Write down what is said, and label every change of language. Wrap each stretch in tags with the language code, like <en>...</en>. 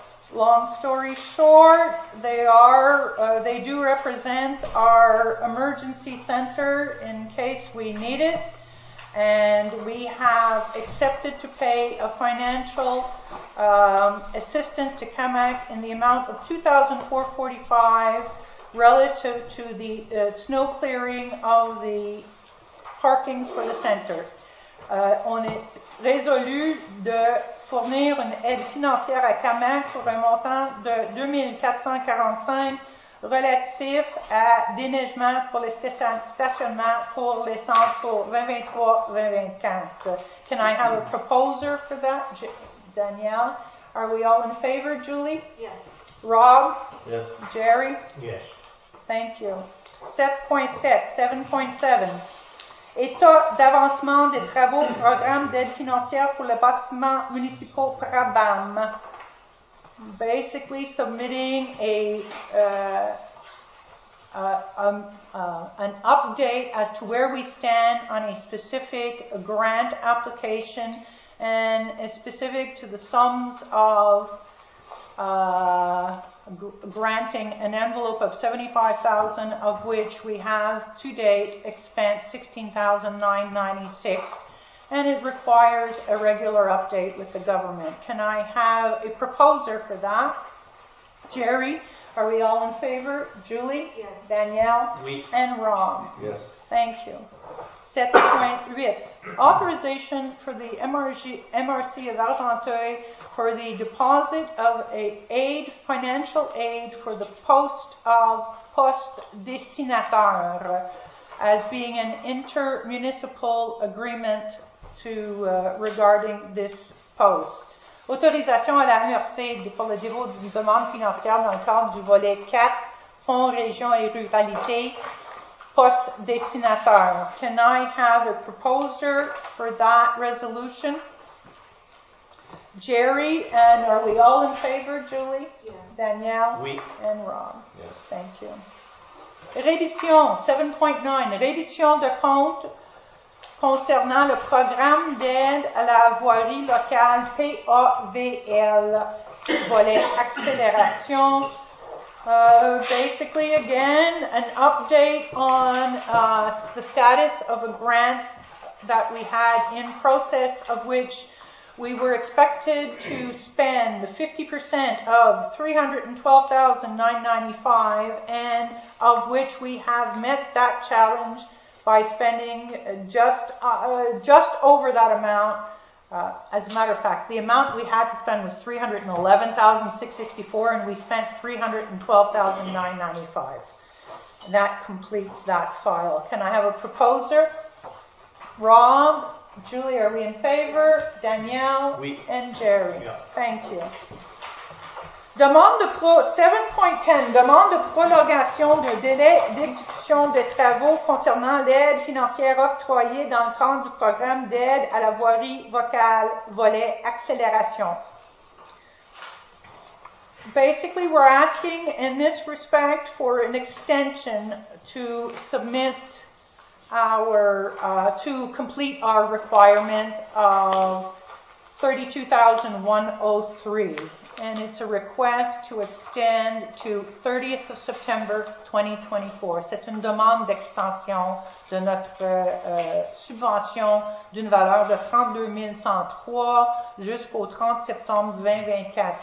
<en>Long story short, they do represent our emergency center in case we need it, and we have accepted to pay a financial assistance to CAMAC in the amount of $2,445. Relative to the snow clearing of the parking for the center.</en> <fr>On est résolu de fournir une aide financière à CAMAC pour un montant de 2445 relatif à déneigement pour les stationnements pour les centres pour 2023-2024.</fr> <en>Can I have a proposer for that? Danielle? Are we all in favor, Julie? Yes. Rob? Yes. Jerry? Yes. Thank you. 7.7.</en> <fr>État d'avancement des travaux du programme d'aide financière pour le bâtiment municipal PRABAM.</fr> <en>Basically submitting an update as to where we stand on a specific grant application, and it's specific to the sums of granting an envelope of $75,000, of which we have to date expense $16,996, and it requires a regular update with the government. Can I have a proposer for that? Jerry, are we all in favor? Julie? Yes. Danielle?</en> <fr>Oui.</fr> <en>And Ron? Yes. Thank you. 7.8, authorization for the MRC of Argenteuil for the deposit of financial aid for the post of post dessinateur as being an intermunicipal agreement to regarding this post.</en> <fr>Autorisation à la MRC pour le dépôt d'une demande financière dans le cadre du volet 4, Fonds Région et Ruralité. Post dessinateur.</fr> <en>Can I have a proposer for that resolution? Jerry, and are we all in favor, Julie? Yes. Danielle?</en> <fr>Oui.</fr> <en>And Rob? Yes. Thank you. Reddition 7.9.</en> <fr>Reddition de compte concernant le programme d'aide à la voirie locale PAVL. Volet accélération.</fr> <en>Basically, again, an update on the status of a grant that we had in process, of which we were expected to spend 50% of $312,995, and of which we have met that challenge by spending just over that amount. As a matter of fact, the amount we had to spend was $311,664, and we spent $312,995. And that completes that file. Can I have a proposer? Rob, Julie, are we in favor? Danielle?</en> <fr>Oui.</fr> <en>And Jerry? Yeah. Thank you.</en> <fr>Demande de 7.10, demande de prolongation de délai d'exécution des travaux concernant l'aide financière octroyée dans le cadre du programme d'aide à la voirie vocale, volet accélération.</fr> <en>Basically, we're asking in this respect for an extension to submit to complete our requirement of $32,103. And it's a request to extend to 30th of September 2024.</en> <fr>C'est une demande d'extension de notre subvention d'une valeur de 32,103 jusqu'au 30 septembre 2024.</fr>